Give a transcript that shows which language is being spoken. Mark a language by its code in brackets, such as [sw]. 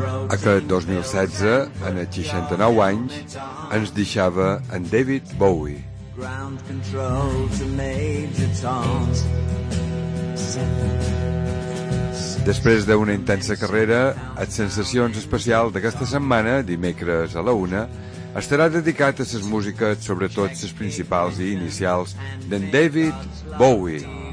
[ca] Aquest 2016, en els 69 anys, ens deixava en David Bowie. [en] Ground control to Major Tom. [ca] Després d'una intensa carrera, et sensacions especial d'aquesta setmana, dimecres a la una, estarà dedicat a les músiques, sobretot les principals i inicials, d'en David Bowie.